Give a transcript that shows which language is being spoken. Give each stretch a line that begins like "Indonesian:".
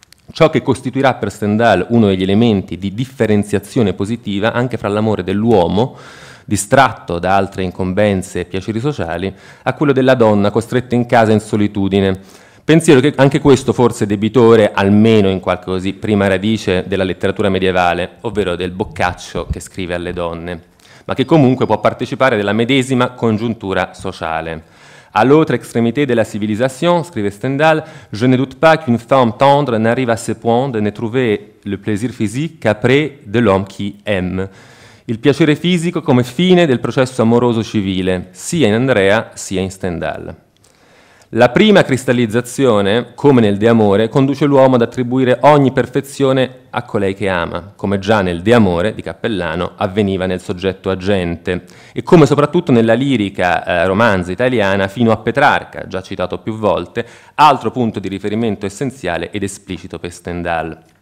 Italian: Ciò che costituirà per Stendhal uno degli elementi di differenziazione positiva anche fra l'amore dell'uomo, distratto da altre incombenze e piaceri sociali, a quello della donna costretta in casa in solitudine. Pensiero che anche questo forse è debitore, almeno in qualche così prima radice, della letteratura medievale, ovvero del Boccaccio che scrive alle donne, ma che comunque può partecipare della medesima congiuntura sociale.
French: À l'autre extrémité de la civilisation,
Italian: scrive Stendhal,
French: je ne doute pas qu'une femme tendre n'arrive à ce point de ne trouver le plaisir physique qu'après de l'homme qui aime.
Italian: Il piacere fisico come fine del processo amoroso civile, sia in Andrea sia in Stendhal. La prima cristallizzazione, come nel De Amore, conduce l'uomo ad attribuire ogni perfezione a colei che ama, come già nel De Amore di Cappellano avveniva nel soggetto agente, e come soprattutto nella lirica romanza italiana fino a Petrarca, già citato più volte, altro punto di riferimento essenziale ed esplicito per Stendhal.